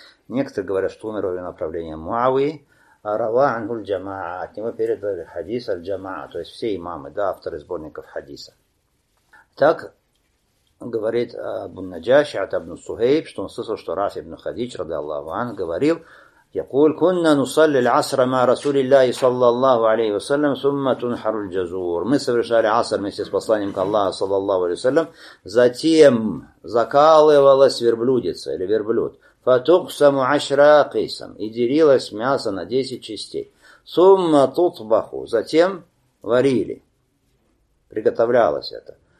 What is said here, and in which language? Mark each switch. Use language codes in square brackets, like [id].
[ru] Некоторые говорят, что умер во время правления Муавии. [ar] Рава ангуль джамаа, [ru] от него передали хадис аль-джамаа, то есть все имамы, да, авторы сборников хадиса. Так говорит Абу Наджаши, Атабну Сухейб, что он слышал, что Рафи ибн Хадидж, радиаллаху анху, говорил, [ar] يقول كنا نصلي العصر مع رسول الله صلى الله عليه وسلم ثم تنحر الجزور. [ru] Мы совершали аср вместе с посланником Аллаха صلى الله عليه وسلم. Затем закалывалась верблюдица или верблюд. [ar] فتقسم عشرا قسم. [ru] И делилось мясо на 10 частей. [ar] ثم تطبخ. [ru] Затем варили. Приготовлялось это.